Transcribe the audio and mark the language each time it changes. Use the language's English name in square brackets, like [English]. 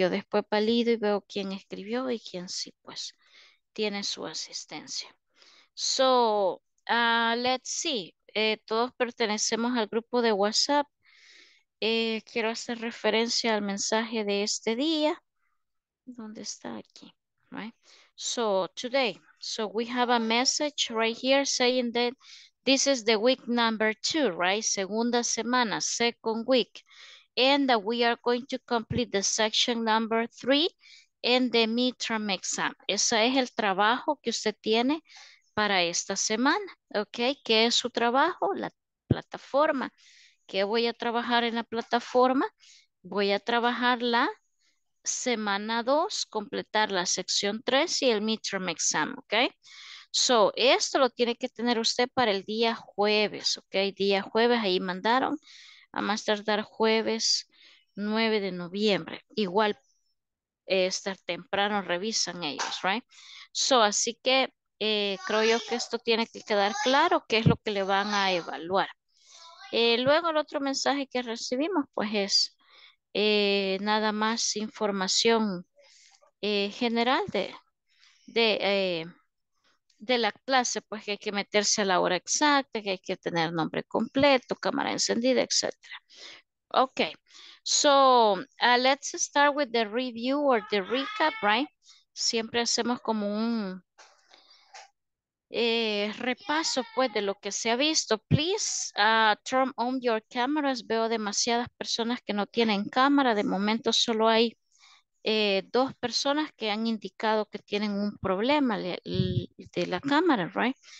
[Spanish] Yo después valido y veo quién escribió y quién sí, pues, tiene su asistencia. [English] So, let's see. [Spanish] Todos pertenecemos al grupo de WhatsApp. Quiero hacer referencia al mensaje de este día. ¿Dónde está aquí? [English] Right. So, today. So, we have a message right here saying that this is the week number two, right? [Spanish] Segunda semana, [English] second week. And that we are going to complete the section number three and the midterm exam. [Spanish] Ese es el trabajo que usted tiene para esta semana. Okay, ¿qué es su trabajo? La plataforma. ¿Qué voy a trabajar en la plataforma? Voy a trabajar la semana 2, completar la sección 3 y el midterm exam. Okay. So, esto lo tiene que tener usted para el día jueves. Okay, día jueves, ahí mandaron. A más tardar jueves 9 de noviembre. Igual estar temprano revisan ellos, right? So, así que creo yo que esto tiene que quedar claro qué es lo que le van a evaluar. Luego el otro mensaje que recibimos, pues es nada más información general de la clase, pues que hay que meterse a la hora exacta, que hay que tener nombre completo, cámara encendida, etc. [English] Ok, so let's start with the review or the recap, right? [Spanish] Siempre hacemos como un repaso, pues, de lo que se ha visto. [English] Please turn on your cameras. [Spanish] Veo demasiadas personas que no tienen cámara. De momento solo hay dos personas que han indicado que tienen un problema de la cámara, right?